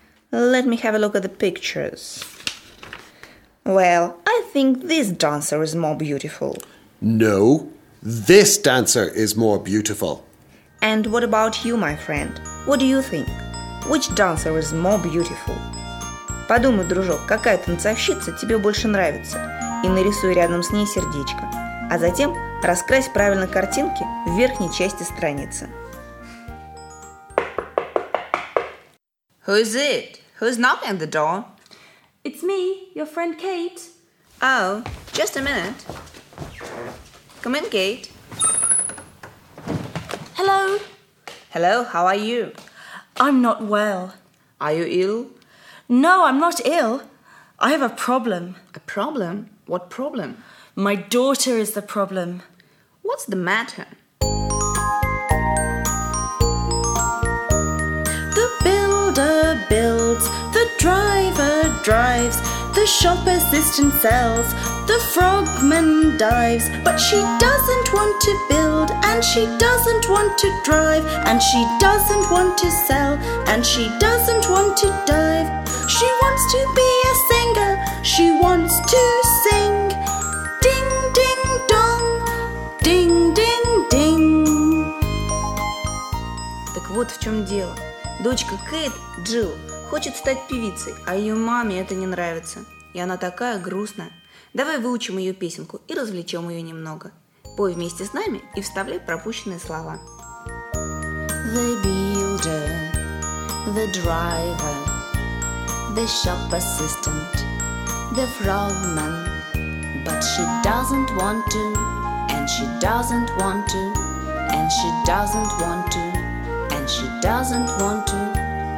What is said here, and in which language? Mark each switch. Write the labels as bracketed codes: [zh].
[en] Let me have a look at the pictures. Well, I think this dancer is more beautiful. No, this dancer is more beautiful. And what about you, my friend? What do you think? Which dancer is more beautiful? [ru] Подумай, дружок, какая танцовщица тебе больше нравится, и нарисуй рядом с ней сердечко. А затем раскрась правильно картинки в верхней части страницы. [en] Who is it? Who's knocking at the door? It's me, your friend Kate. Oh, just a minute. Come in, Kate. Hello. Hello, how are you? I'm not well. Are you ill? No, I'm not ill. I have a problem. A problem? What problem? My daughter is the problem. What's the matter? The builder builds, the driver drives, the shop assistant sells, the frogman dives. But she doesn't want to build, and she doesn't want to drive, and she doesn't want to sell, and she doesn't want to dive. She wants to be a singer, she wants to sing. Ding, ding, dong, ding, ding, ding. [ru] Так вот в чем дело. Дочка Кейт, Джилл, хочет стать певицей, а ее маме это не нравится. И она такая грустная. Давай выучим ее песенку и развлечем ее немного. Пой вместе с нами и вставляй пропущенные слова. [en] The builder, the driver, the shop assistant, the frogman. But she doesn't want to, and she doesn't want to, and she doesn't want to, and she doesn't want to.